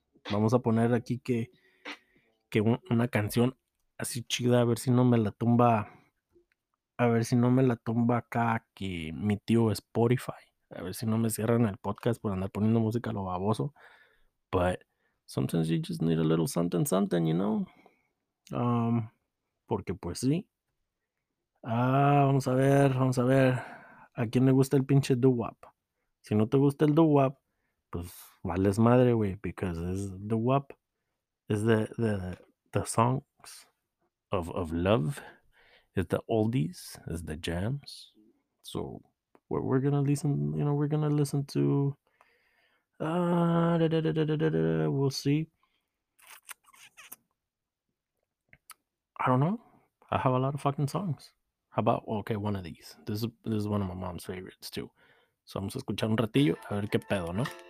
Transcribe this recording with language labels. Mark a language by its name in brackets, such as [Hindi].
[Spanish] Vamos a poner aquí que una canción así chida, a ver si no me la tumba acá que mi tío Spotify, a ver si no me cierran el podcast por andar poniendo música a lo baboso. [English] But sometimes you just need a little something, you know? [Spanish] Porque pues sí. Vamos a ver. ¿A quién le gusta el pinche doo-wop? Si no te gusta el doo-wop, pues vales madre, güey, [English] because it's doo-wop is the songs of love. It's the oldies, it's the jams. So we're gonna listen, you know, we're gonna listen to we'll see. I don't know. I have a lot of fucking songs. How about, okay, one of these. This is one of my mom's favorites, too. [Spanish] So vamos a escuchar un ratillo, a ver qué pedo, ¿no?